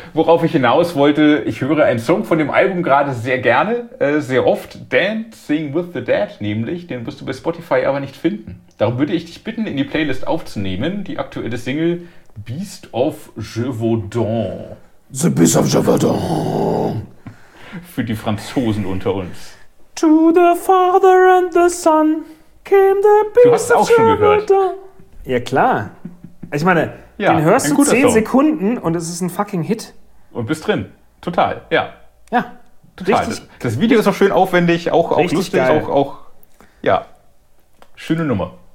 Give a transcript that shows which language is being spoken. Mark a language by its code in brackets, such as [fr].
[de] Worauf ich hinaus wollte, ich höre einen Song von dem Album gerade sehr gerne, sehr oft. Dancing with the Dead nämlich. Den wirst du bei Spotify aber nicht finden. Darum würde ich dich bitten, in die Playlist aufzunehmen, die aktuelle Single Beast of Gévaudan. [en] The Beast of Gévaudan. [de] Für die Franzosen unter uns. [en] To the Father and the Son came the Beast. [de] Du hast auch schon gehört. Ja, klar. Ich meine, ja, den hörst du 10 Sekunden und es ist ein fucking Hit. Und bist drin. Total, ja. Ja, total. Richtig. Das Video ist auch schön aufwendig, auch lustig. Geil. Auch, ja, schöne Nummer.